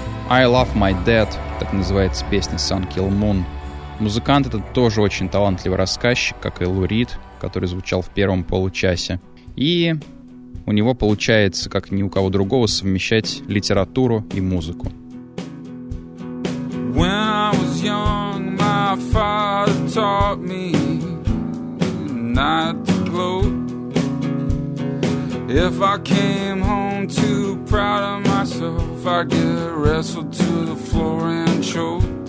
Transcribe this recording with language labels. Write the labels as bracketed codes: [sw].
[ru] «I Love My Dad», так называется песня «Sun Kill Moon». Музыкант этот тоже очень талантливый рассказчик, как и Лу Рид, который звучал в первом получасе. И у него получается, как ни у кого другого, совмещать литературу и музыку. [en] When I was young, my father taught me not to gloat. If I came home too proud of myself, I'd get wrestled to the floor and choked.